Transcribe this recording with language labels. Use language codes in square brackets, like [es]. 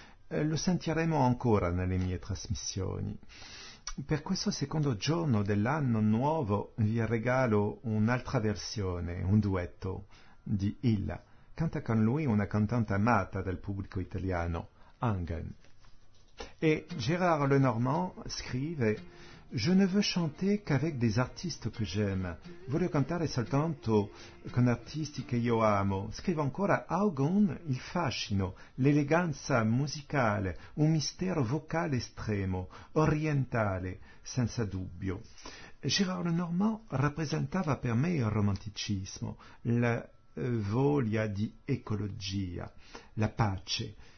[it] Lo sentiremo ancora nelle mie trasmissioni. Per questo secondo giorno dell'anno nuovo vi regalo un'altra versione, un duetto di Illa. Canta con lui una cantante amata dal pubblico italiano, Angen. E Gérard Lenormand scrive: [fr] «Je ne veux chanter qu'avec des artistes que j'aime. [it] Voglio cantare soltanto con artisti che io amo». Scrive ancora: «Augon, il fascino, l'eleganza musicale, un mistero vocale estremo, orientale, senza dubbio». Gérard Lenormand rappresentava per me il romanticismo, la voglia di ecologia, la pace.